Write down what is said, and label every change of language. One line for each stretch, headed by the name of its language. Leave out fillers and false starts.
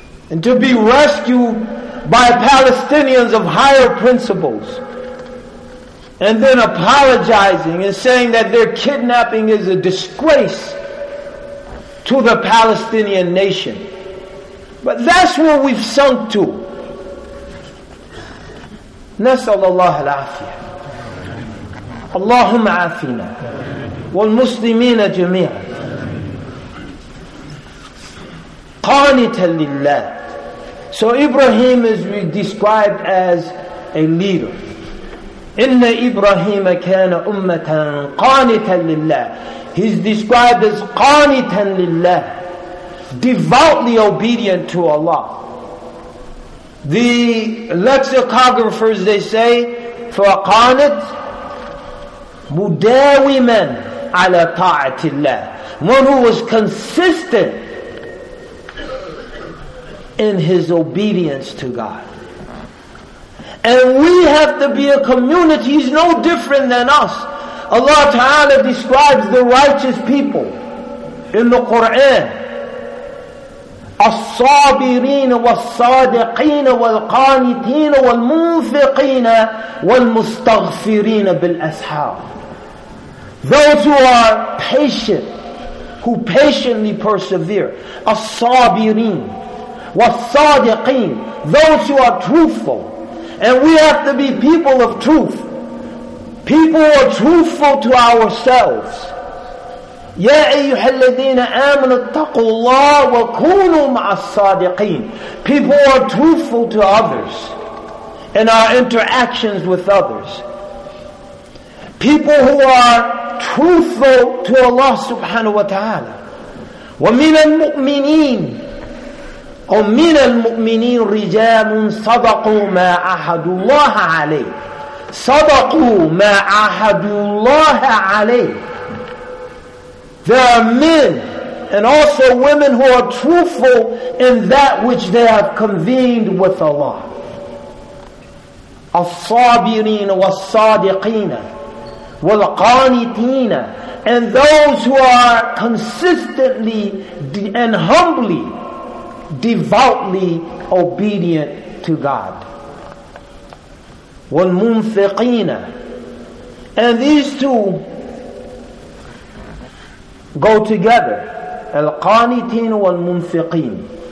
English: And to be rescued by Palestinians of higher principles, and then apologizing and saying that their kidnapping is a disgrace to the Palestinian nation. But that's where we've sunk to.
Arabic: نسأل الله العافية. اللهم عافينا والمسلمين جميعا. قانتا لله.
English: So Ibrahim is described as a leader.
Arabic: إِنَّ إِبْرَهِيمَ كَانَ أُمَّةً قَانِتًا لِلَّهِ.
English: He's described as
Arabic: قَانِتًا لِلَّهِ,
English: devoutly obedient to Allah. The lexicographers, they say,
Arabic: فَقَانِتْ مُدَاوِمًا عَلَى طَاعَةِ اللَّهِ.
English: One who was consistent in his obedience to God. And we have to be a community. He's no different than us. Allah Ta'ala describes the righteous people in the Quran.
Arabic: الصابرين والصادقين والقانتين والمنفقين والمستغفرين بالأسحار.
English: Those who are patient, who patiently persevere.
Arabic: الصابرين والصادقين.
English: Those who are truthful. And we have to be people of truth. People who are truthful to ourselves.
Arabic: يَا أَيُّهَا الَّذِينَ آمَنُوا اتَّقُوا اللَّهَ وَكُونُوا مَعَ الصَّادِقِينَ.
English: People who are truthful to others in our interactions with others. People who are truthful to Allah subhanahu wa ta'ala.
Arabic: وَمِنَ الْمُؤْمِنِينَ أو من المؤمنين رجال صدقوا ما عهد الله عليه. صدقوا ما عهد الله عليه.
English: There are men and also women who are truthful in that which they have convened with Allah.
Arabic: الصابرين والصادقين والقانتين.
English: And those who are consistently and humbly, devoutly obedient to God.
Arabic: وَالْمُنْفِقِينَ.
English: And these two go together,
Arabic: الْقَانِتِينَ وَالْمُنْفِقِينَ.